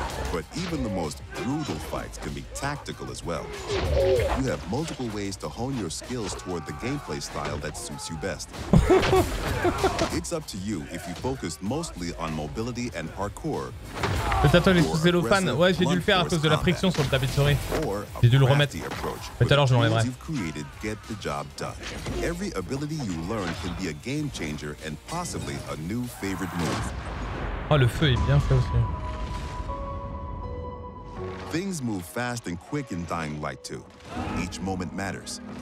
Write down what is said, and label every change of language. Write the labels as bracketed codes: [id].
[en] But even the most brutal fights can be tactical as well. You have multiple ways to hone your skills toward the gameplay style that suits you best. It's up to you if you focus mostly on mobility and parkour. [fr] Peut-être j'ai sous cellophane. Ouais, j'ai dû le faire à cause de la friction sur le tapis de souris. J'ai dû le remettre. Peut-être alors je l'enlèverai. [en] You've created, get the job done. Every ability you learn can be a game changer and possibly a new favorite move. [fr] Oh, le feu est bien fait aussi. [en] Things move fast and quick in Dying Light 2. Each moment matters.